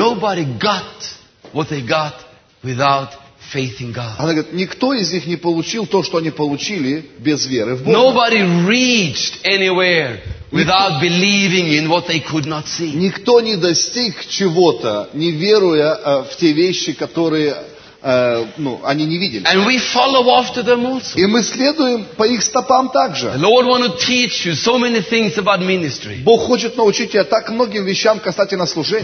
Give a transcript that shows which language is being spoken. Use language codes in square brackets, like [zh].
[en] Nobody got what they got without faith in God. [ru] Она говорит, никто из них не получил то, что они получили без веры в Бога. [en] Nobody reached anywhere. Without believing in what they could not see. [ru] Никто не достиг чего-то, не веруя в те вещи, которые они не видели. [en] And we follow after them also. [ru] И мы следуем по их стопам также. [en] The Lord wants to teach you so many things about ministry. [ru] Бог хочет научить тебя так многим вещам касательно служения.